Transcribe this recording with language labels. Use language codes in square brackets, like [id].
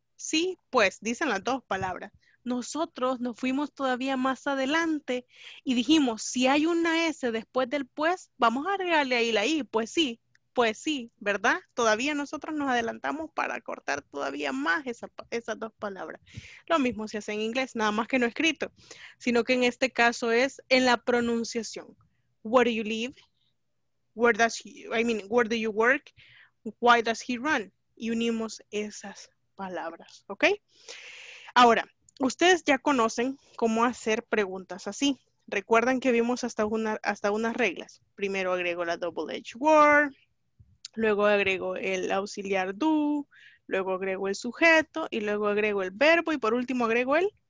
[es] Sí pues, dicen las dos palabras. Nosotros nos fuimos todavía más adelante y dijimos, si hay una S después del pues, vamos a agregarle ahí la I, pues sí. Pues sí, ¿verdad? Todavía nosotros nos adelantamos para cortar todavía más esas dos palabras. Lo mismo se hace en inglés, nada más que no escrito, sino que en este caso es en la pronunciación. [en] Where do you live? Where does he, I mean, where do you work? Why does he run? [es] Y unimos esas palabras, ¿ok? Ahora, ustedes ya conocen cómo hacer preguntas así. Recuerdan que vimos hasta unas reglas. Primero agrego la double-edged word. Luego agrego el auxiliar do, luego agrego el sujeto, y luego agrego el verbo, y por último agrego el...